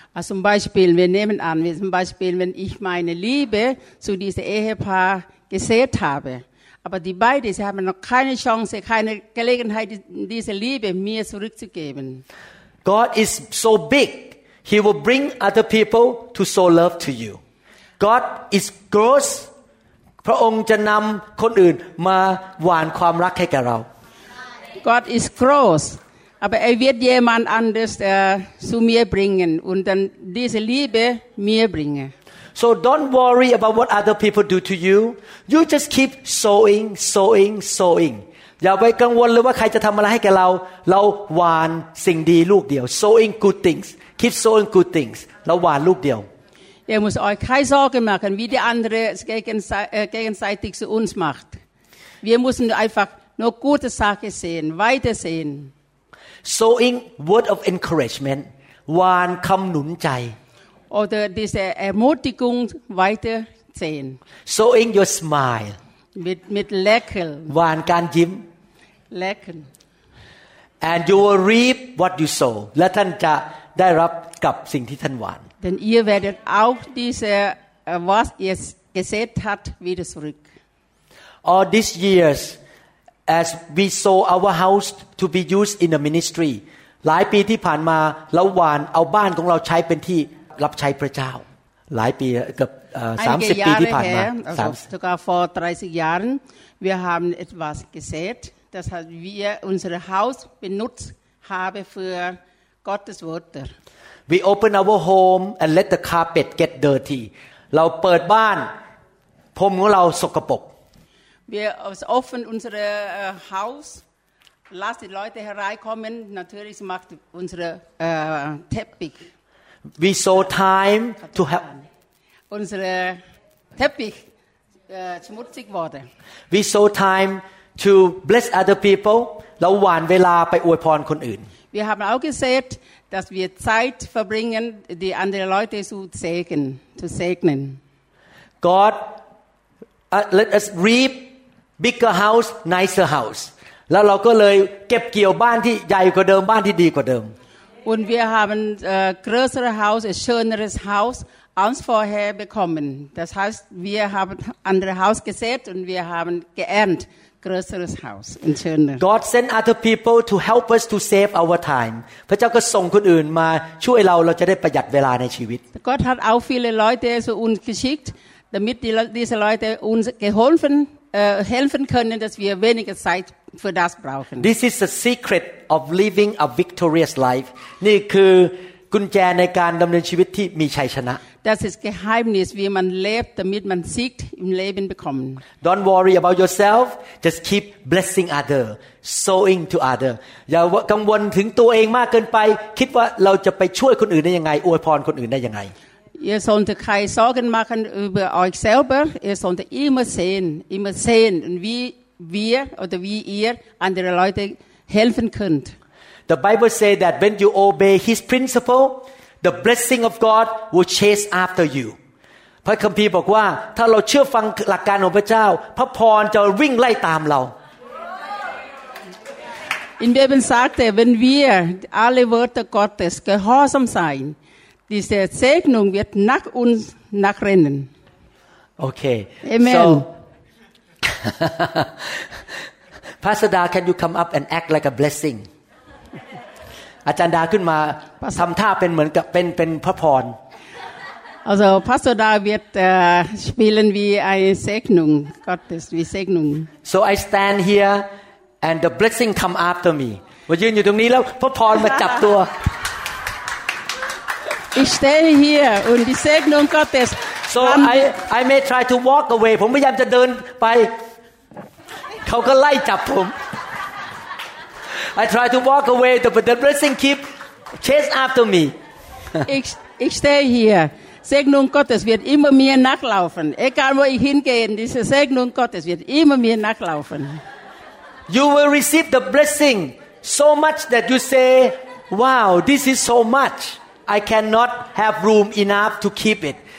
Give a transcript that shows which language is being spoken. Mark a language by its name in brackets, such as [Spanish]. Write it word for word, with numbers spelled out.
[German] Zum Beispiel, wir nehmen an, wie zum Beispiel, wenn ich meine Liebe zu diesem Ehepaar gesät habe, aber die beiden haben noch keine Chance, keine Gelegenheit, diese Liebe mir zurückzugeben. [English] God is so big. He will bring other people to sow love to you. God is gross. [Thai] พระองค์จะนำคนอื่นมาหว่านความรักให้แก่เรา [English] God is gross. [German] Aber er wird jemand anders uh, zu mir bringen und dann diese Liebe mir bringen. [English] So don't worry about what other people do to you. You just keep sowing, sowing, sowing. [Thai] อย่าไปกังวลเลยว่าใครจะทำอะไรให้แก่เราเราหว่านสิ่งดีลูกเดียว [English] Sowing good things. Keep sowing good things. [Thai] เราหว่านลูกเดียว [German] Ihr müsst euch keine Sorgen machen, wie die andere gegenseitig zu uns macht. Wir müssen einfach nur gute Sachen sehen, weitersehen. [English] Sowing word of encouragement. [Thai] หว่านคำหนุนใจ [German] Oder diese Ermutigung weiter sehen. [English] Showing your smile. [German] Mit, mit Lächeln. [Thai] Hวานการยิ้ม [German] Lächeln. [English] And you will reap what you sow. [Thai] และท่านจะได้รับกับสิ่งที่ท่านหวาน [German] Denn ihr werdet auch diese, was ihr gesät habt, wieder zurück. [English] All these years, as we sow our house to be used in the ministry, [Thai] หลายปีที่ผ่านมาเราหวานเอาบ้านของเราใช้เป็นที่รับใช้พระเจ้าหลายปีเกือบสามสิบปีที่ผ่านมา [German] sogar vor dreißig Jahren, wir haben etwas gesät, das wir unsere Haus benutzt haben für Gottes Wörter. [English] We open our home and let the carpet get dirty. [Thai] เราเปิดบ้านพรมของเราสกปรก [German] Wir offen unsere Haus, lassen die Leute hereinkommen. Natürlich macht unsere äh, Teppich. [English] We sow time to help. [German] Unsere Teppich äh, schmutzig wurde. [English] We sow time to bless other people. [Thai] เราหว่านเวลาไปอวยพรคนอื่น [German] Wir haben auch gesät, dass wir Zeit verbringen, die andere Leute zu segnen, zu segnen. [English] God, uh, let us reap bigger house, nicer house. [Thai] แล้วเราก็เลยเก็บเกี่ยวบ้านที่ใหญ่กว่าเดิมบ้านที่ดีกว่าเดิม [German] Und wir haben äh, größere Haus, ein schöneres Haus als vorher bekommen. Das heißt, wir haben andere Haus gesät und wir haben geerntet größeres Haus, ein schöneres. [English] God sent other people to help us to save our time. [Thai] พระเจ้าก็ส่งคนอื่นมาช่วยเราเราจะได้ประหยัดเวลาในชีวิต [German] Gott hat auch viele Leute zu uns geschickt, damit die, diese Leute uns geholfen, äh, helfen können, dass wir weniger Zeit für das brauchen. [English] This is the secret of living a victorious life. [Thai] นี่คือกุญแจในการดำเนินชีวิตที่มีชัยชนะ [German] Das ist Geheimnis, wie man lebt, damit man Sieg im Leben bekommt. [English] Don't worry about yourself. Just keep blessing other, sowing to other. [Thai] อย่ากังวลถึงตัวเองมากเกินไปคิดว่าเราจะไปช่วยคนอื่นได้ยังไงอวยพรคนอื่นได้ยังไง [German] Ihr solltet keine Sorgen machen über euch selber. Ihr solltet immer sehen, immer sehen, wie wir oder wie ihr andere Leute helfen könnt. [English] The Bible says that when you obey His principle, the blessing of God will chase after you. [Thai] พระคัมภีร์บอกว่าถ้าเราเชื่อฟังหลักการของพระเจ้าพระพรจะวิ่งไล่ตามเรา [German] In Bibel sagt er, wenn wir alle Worte Gottes gehorsam sein. Diese Segnung wird nach uns nachrennen. [English] Okay. Amen. So, Pastor Da, can you come up and act like a blessing? [Thai] อาจารย์ดาขึ้นมาทำท่าเป็นเหมือนกับเป็นเป็นพระพร [German] Also Pastor Da wird uh, spielen wie eine Segnung Gottes, wie Segnung. [English] So I stand here and the blessing come after me. [Thai] มายืนอยู่ตรงนี้แล้วพระพรมาจับตัว [German] Ich stehe hier und die Segnung Gottes. [English] So I I may try to walk away. [Thai] ผมพยายามจะเดินไปเขาก็ไล่จับผม [English] I try to walk away, but the blessing keep chase after me. [German] Ich ich stehe hier. Segnung Gottes wird immer mir nachlaufen. Egal wo ich hingehe, diese Segnung Gottes wird immer mir nachlaufen. [English] You will receive the blessing so much that you say, "Wow, this is so much." I cannot have room enough to keep it.